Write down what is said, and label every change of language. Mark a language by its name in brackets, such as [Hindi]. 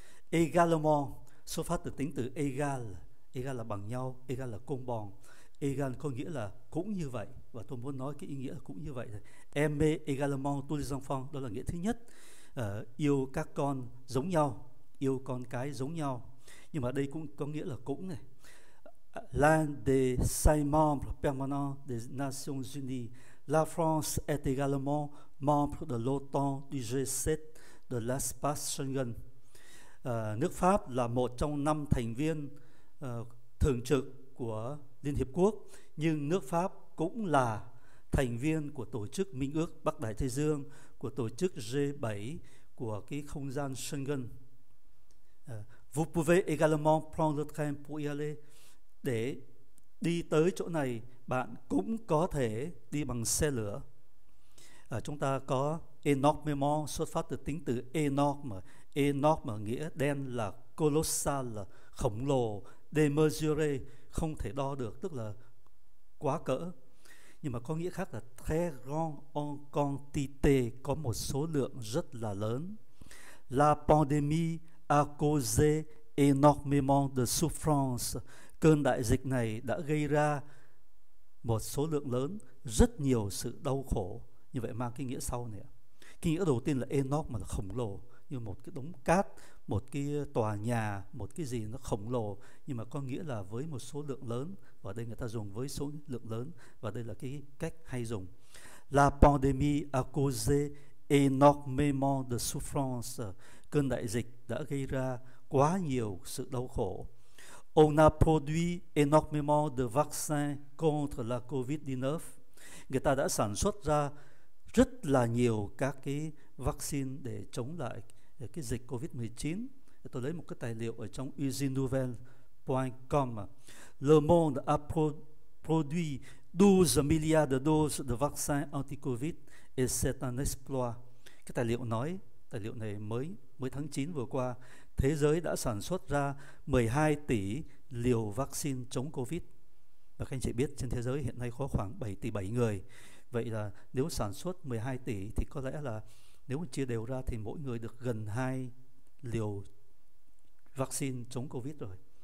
[Vietnamese] Également, xuất phát từ tính từ égal, égal là bằng nhau, égal là công bằng. Égal có nghĩa là cũng như vậy, và tôi muốn nói cái ý nghĩa là cũng như vậy. [French] Aime également tous les enfants, [Vietnamese] đó là nghĩa thứ nhất. Yêu các con giống nhau, yêu con cái giống nhau, nhưng mà đây cũng có nghĩa là cũng này. [French] L'un des cinq membres permanents des Nations Unies, la France est également membre de l'OTAN, du G7, de l'espace Schengen. [Vietnamese] Nước Pháp là một trong năm thành viên thường trực của Liên Hiệp Quốc, nhưng nước Pháp cũng là thành viên của tổ chức Minh ước Bắc Đại Tây Dương, của tổ chức G7, của cái không gian Schengen. [French] Vous pouvez également prendre le train pour y aller. [Vietnamese] Để đi tới chỗ này, bạn cũng có thể đi bằng xe lửa. Chúng ta có énormément, xuất phát từ tính từ énorme. Énorme nghĩa đen là colossal, là khổng lồ. Démesuré, không thể đo được, tức là quá cỡ. Nhưng mà có nghĩa khác là [French] très grand en quantité, [Vietnamese] có một số lượng rất là lớn. [French] La pandémie a causé énormément de souffrance. [Vietnamese] Cơn đại dịch này đã gây ra một số lượng lớn, rất nhiều sự đau khổ. Như vậy mang cái nghĩa sau này. Cái nghĩa đầu tiên là énorme, là khổng lồ, như một cái đống cát, một cái tòa nhà, một cái gì nó khổng lồ, nhưng mà có nghĩa là với một số lượng lớn, và đây người ta dùng với số lượng lớn, và đây là cái cách hay dùng. [French] La pandémie a causé énormément de souffrance. [Vietnamese] Cơn đại dịch đã gây ra quá nhiều sự đau khổ. [French] On a produit énormément de vaccins contre la COVID-19. [Vietnamese] Người ta đã sản xuất ra rất là nhiều các cái vaccine để chống lại cái dịch COVID-19. Tôi lấy một cái tài liệu ở trong usinenouvelle.com. [French] Le monde a produit 12 milliards de doses de vaccins anti-COVID et c'est un exploit. [Vietnamese] Cái tài liệu nói, tài liệu này mới tháng 9 vừa qua, thế giới đã sản xuất ra 12 tỷ liều vaccine chống COVID. Và các anh chị biết trên thế giới hiện nay có khoảng 7 tỷ 7 người. Vậy là nếu sản xuất 12 tỷ thì có lẽ là nếu chia đều ra thì mỗi người được gần 2 liều vaccine chống COVID rồi.